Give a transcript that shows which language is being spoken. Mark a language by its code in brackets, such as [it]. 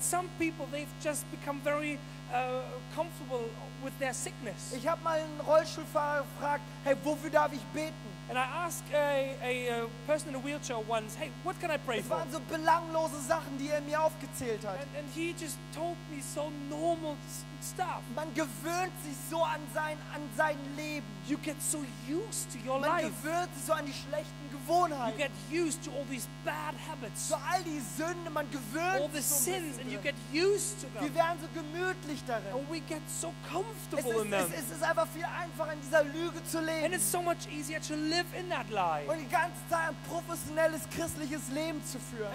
[en] And some people, they've just become very comfortable with their sickness. [de] Ich habe mal einen Rollstuhlfahrer gefragt, hey, wofür darf ich beten? [en] And I asked a person in a wheelchair once, hey, what can I pray for? [de] Es waren so belanglose Sachen, die er mir aufgezählt hat. [en] And he just told me so normal stuff. [de] Man gewöhnt sich so an sein Leben. [en] You get so used to your [de] Man [en] life. [de] Man gewöhnt sich so an die schlechten Gewohnheiten. [en] You get used to all these bad habits. [de] So all die Sünden. Man gewöhnt [en] all the [de] sich so [en] sins and you get used to them. [de] Wir werden so gemütlich darin. [en] And we get so comfortable in them. [de] Es ist einfach viel einfacher, in dieser Lüge zu leben. [en] And it's so much easier to live in that lie. [de] Und die ganze Zeit ein professionelles christliches Leben zu führen.